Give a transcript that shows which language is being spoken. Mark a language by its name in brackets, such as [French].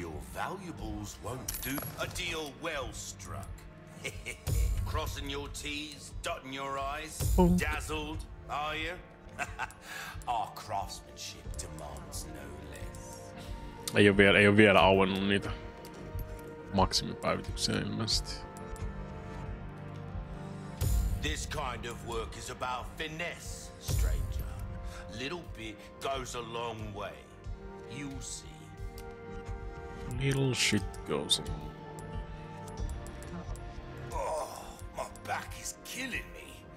[English] Your valuables won't do a deal well struck. Crossing your T's, dotting your I's, dazzled, are you? Our craftsmanship demands no less. [Finnish] Ei ole vielä auennut niitä maksimipäivityksiä ilmeisesti. [English] This kind of work is about finesse, stranger. Little bit goes a long way. You'll see. Little shit goes on. Oh, my back is killing me.